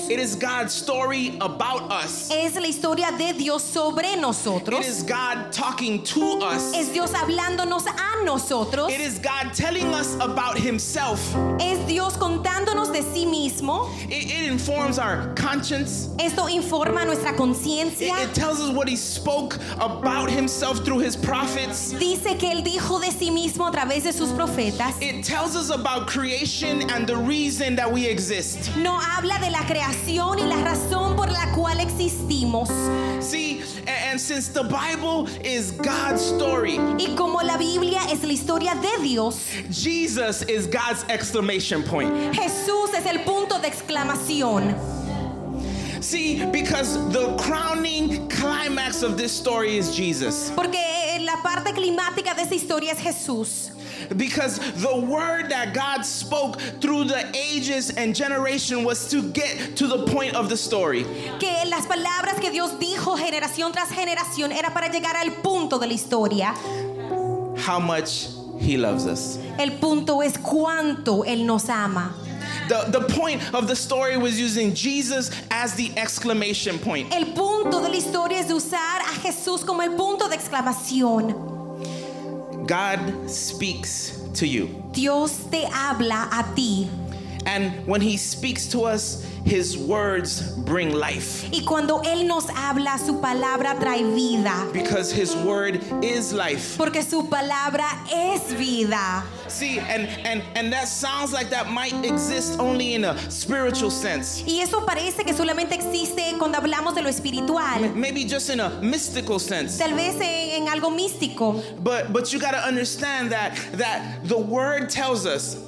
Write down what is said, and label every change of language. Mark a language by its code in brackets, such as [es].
[en] It is God's story about us. [es] Es la historia de Dios sobre nosotros. [en] It is God talking to us. [es] Es Dios hablándonos a nosotros. [en] It is God telling us about himself. [es] Es Dios contándonos de sí mismo. [en] It informs our conscience. [es] Esto informa nuestra conciencia. [en] It tells us what he spoke about himself through his prophets. [es] Dice que él dijo de sí mismo a través de sus profetas. [en] It tells us about creation and the reason that we exist. [es] No habla de la creación y la razón por la cual existimos. [en] See, and since the Bible is God's story, [es] y como la Biblia es la historia de Dios, [en] Jesus is God's exclamation point. [es] Jesús es el punto de exclamación. [en] See, because the crowning climax of this story is Jesus. [es] Porque la parte climática de esa historia es Jesús. [en] Because the word that God spoke through the ages and generation was to get to the point of the story. [es] Que las palabras que Dios dijo generación tras generación era para llegar al punto de la historia. [en] How much he loves us. [es] El punto es cuánto él nos ama. [en] The point of the story was using Jesus as the exclamation point. [es] El punto de la historia es usar a Jesús como el punto de exclamación. [en] God speaks to you. [es] Dios te habla a ti. [en] And when he speaks to us, His words bring life. [es] Y cuando él nos habla, su palabra trae vida. [en] Because his word is life. [es] Porque su palabra es vida. [en] See, and that sounds like that might exist only in a spiritual sense. [es] Y eso parece que solamente existe cuando hablamos de lo espiritual. [en] Maybe just in a mystical sense. [es] Tal vez en algo místico. [en] But you got to understand that the word tells us.